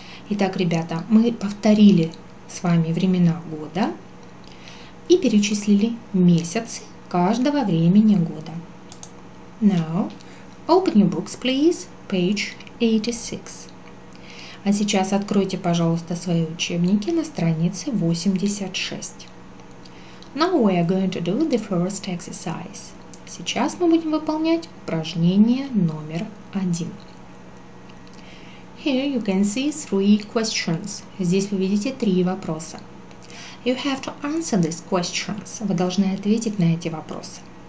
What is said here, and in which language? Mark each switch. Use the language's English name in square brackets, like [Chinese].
[Russian] Итак, ребята, мы повторили с вами времена года и перечислили месяцы каждого времени года. [English] Now, open your books, please, page 86. [Russian] А сейчас откройте, пожалуйста, свои учебники на странице 86. [English] Now we are going to do the first exercise. [Russian] Сейчас мы будем выполнять упражнение номер 1. [English] Here you can see three questions. [Russian] Здесь вы видите три вопроса. [English] You have to answer these questions. [Russian] Вы должны ответить на эти вопросы.